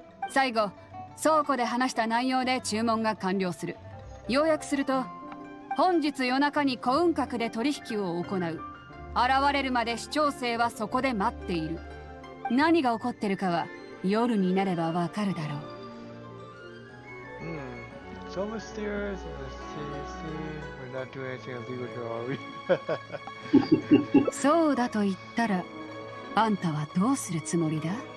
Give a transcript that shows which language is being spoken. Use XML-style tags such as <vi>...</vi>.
<ja>最後、倉庫で話した内容で注文が完了する。要約すると、本日夜中に古雲閣で取引を行う。現れるまで市長生はそこで待っている。何が起こってるかは夜になればわかるだろう。</ja> <en>So mysterious, let's see, we're not doing anything illegal here, are we?</en> <ja>そうだと言ったら、あんたはどうするつもりだ？</ja>